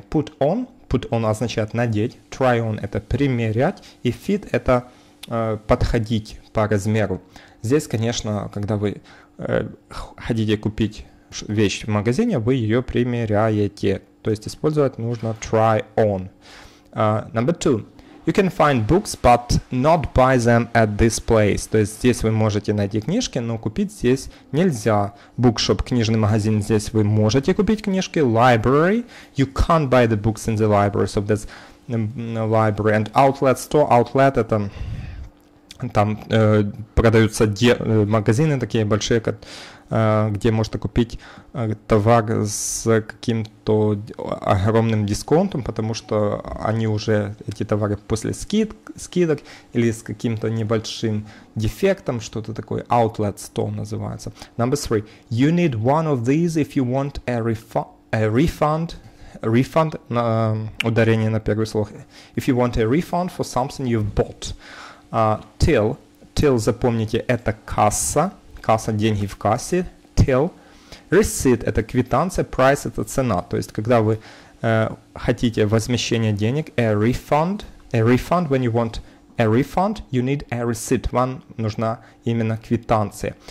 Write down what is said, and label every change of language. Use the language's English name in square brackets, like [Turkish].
[English] Put on. Put on [Russian] означает надеть. [English] Try on – [Russian] это примерять. И fit – это подходить по размеру. Здесь, конечно, когда вы хотите купить вещь в магазине, вы ее примеряете. То есть использовать нужно try on. [English] Number two. You can find books, but not buy them at this place. [Russian] То есть здесь вы можете найти книжки, но купить здесь нельзя. Bookshop, книжный магазин, здесь вы можете купить книжки. [English] Library. You can't buy the books in the library. So that's library. And outlet store. Outlet – это... [Russian] Там продаются магазины такие большие, где можно купить товар с каким-то огромным дисконтом, потому что они уже, эти товары, после скидок или с каким-то небольшим дефектом, что-то такое, outlet store называется. [English] Number three. You need one of these if you want a refund. [Russian] Refund, ударение на первый слог. [English] If you want a refund for something you've bought. [Russian] Till, запомните, это касса, деньги в кассе, till, receipt, это квитанция, price, это цена, то есть, когда вы хотите возмещение денег, a refund, [English] when you want a refund, you need a receipt, [Russian] вам нужна именно квитанция.